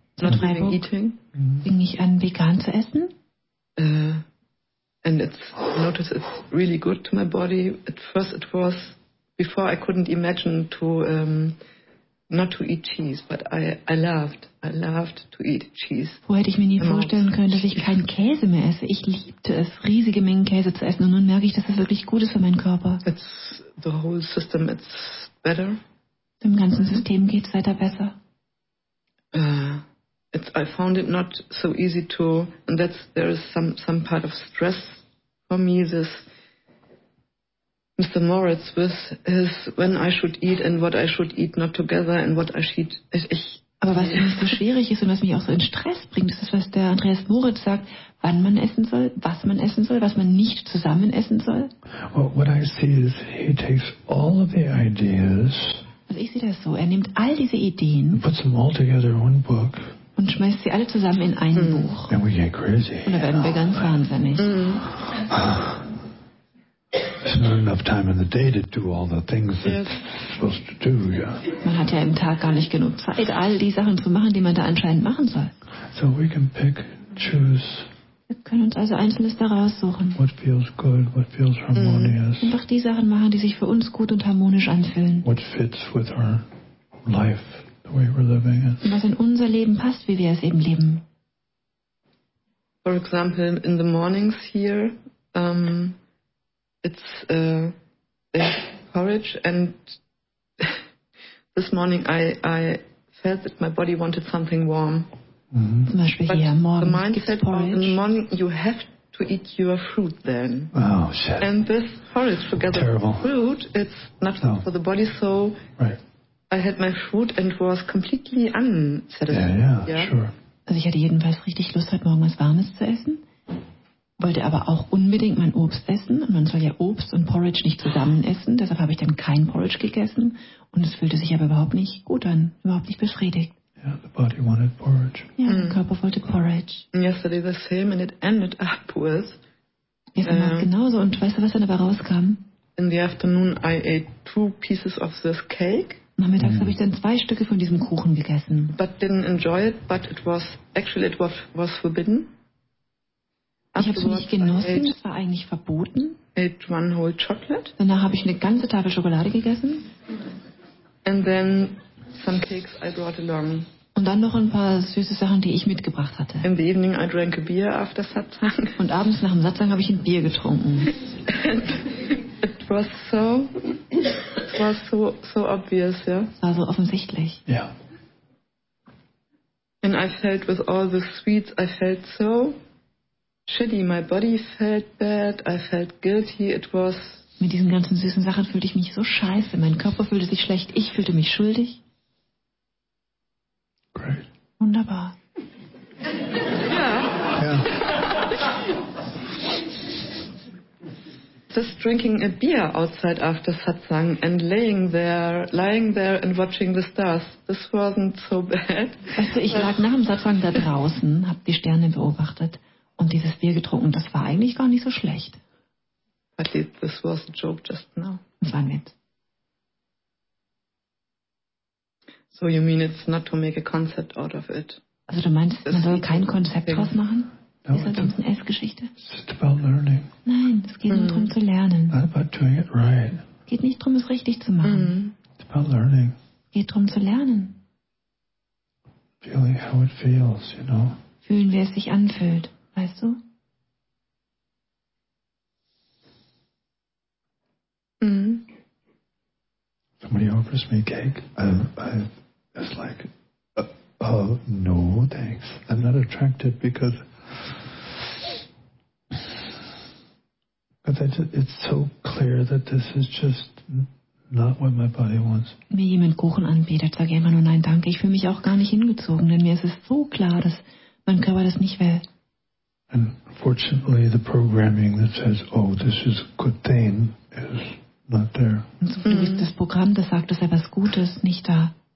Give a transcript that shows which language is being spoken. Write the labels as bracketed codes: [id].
[en] Not really eating. [de] Fing ich an, vegan zu essen? [en] And it's, notice it's really good to my body. At first it was, before I couldn't imagine to not to eat cheese, but I loved to eat cheese. [de] Wo hätte ich mir nie vorstellen können, dass ich keinen Käse mehr esse. Ich liebte es, riesige Mengen Käse zu essen. Und nun merke ich, dass es wirklich gut ist für meinen Körper. [en] It's the whole system, it's better. [de] Dem ganzen System geht es weiter besser. [en] I found it not so easy to, and that's, there is some part of stress for me, this Mr. Moritz with his when I should eat and what I should eat not together and what I should eat. [de] Aber was immer so schwierig ist und was mich auch so in Stress bringt, ist das, was der Andreas Moritz sagt, wann man essen soll, was man nicht zusammen essen soll. [en] Well, what I see is he takes all of the ideas. [de] Also ich sehe das so, er nimmt all diese Ideen [en] and puts them all together in one book. [de] Und schmeißt sie alle zusammen in ein Buch. [en] And we get crazy. [de] Und da werden wir ganz wahnsinnig. [en] There's not enough time in the day to do all the things that you're supposed to do, yeah. [de] Man hat ja im Tag gar nicht genug Zeit, all die Sachen zu machen, die man da anscheinend machen soll. [en] So we can pick, choose. [de] Wir können uns also Einzelnes daraus suchen. [en] What feels good, what feels harmonious. [de] Einfach die Sachen machen, die sich für uns gut und harmonisch anfühlen. [en] What fits with our life, the way we're living it. [de] Was in unser Leben passt, wie wir es eben leben. [en] For example, in the mornings here, it's porridge, and this morning I felt that my body wanted something warm. Mm-hmm. But the mindset in the morning you have to eat your fruit then. Oh shit! And this porridge together with fruit, it's not for the body. So right. I had my fruit and was completely unsatisfied. Yeah, sure. [de] Also ich hatte jedenfalls richtig Lust heute Morgen was Warmes zu essen. Wollte aber auch unbedingt mein Obst essen. Und man soll ja Obst und Porridge nicht zusammen essen. Deshalb habe ich dann kein Porridge gegessen. Und es fühlte sich aber überhaupt nicht gut an. Überhaupt nicht befriedigt. [en] Yeah, the body wanted porridge. [de] Ja, der Körper wollte Porridge. [en] And yesterday the same and it ended up with... [de] Gestern war es genauso. Und weißt du, was dann dabei rauskam? [en] In the afternoon I ate 2 pieces of this cake. [de] Nachmittags habe ich dann 2 Stücke von diesem Kuchen gegessen. [en] But didn't enjoy it, but it was... Actually it was forbidden. [de] Ich habe es nicht genossen, es war eigentlich verboten. [en] Ate one whole chocolate. [de] Danach habe ich eine ganze Tafel Schokolade gegessen. [en] And then some cakes I brought along. [de] Und dann noch ein paar süße Sachen, die ich mitgebracht hatte. [en] In the evening I drank a beer after Satsang. [de] Und abends nach dem Satsang habe ich ein Bier getrunken. [en] It was so obvious, yeah. [de] Es war so offensichtlich. Ja. [en] Yeah. And I felt with all the sweets, I felt so... Shitty, my body felt bad, I felt guilty, it was... [de] Mit diesen ganzen süßen Sachen fühlte ich mich so scheiße, mein Körper fühlte sich schlecht, ich fühlte mich schuldig. [en] Great. [de] Wunderbar. Ja. Ja. [en] Just drinking a beer outside after satsang and lying there and watching the stars, this wasn't so bad. [de] Weißt du, ich lag nach dem Satsang da draußen, hab die Sterne beobachtet. Und dieses Bier getrunken, das war eigentlich gar nicht so schlecht. [en] But this was a joke just now. [de] Das war ein Witz. [en] So you mean it's not to make a concept out of it? [de] Also du meinst, man soll kein Konzept draus machen? No, ist das eine Essgeschichte? [en] It's about learning. [de] Nein, es geht nicht darum zu lernen. [en] Not about doing it right. [de] Es geht nicht darum, es richtig zu machen. [en] It's about learning. [de] Es geht darum zu lernen. [en] Feeling how it feels, you know. [de] Fühlen, wie es sich anfühlt. Weißt du? [en] Somebody offers me cake. It's like, oh, no thanks. I'm not attracted because it's so clear that this is just not what my body wants. [de] Mir jemand Kuchen anbietet, sage ich immer nur nein, danke. Ich fühle mich auch gar nicht hingezogen, denn mir ist es so klar, dass mein Körper das nicht will. [en] And fortunately, the programming that says, "Oh, this is a good thing," is not there. [de] Das Programm, das sagt, dass etwas Gutes nicht da.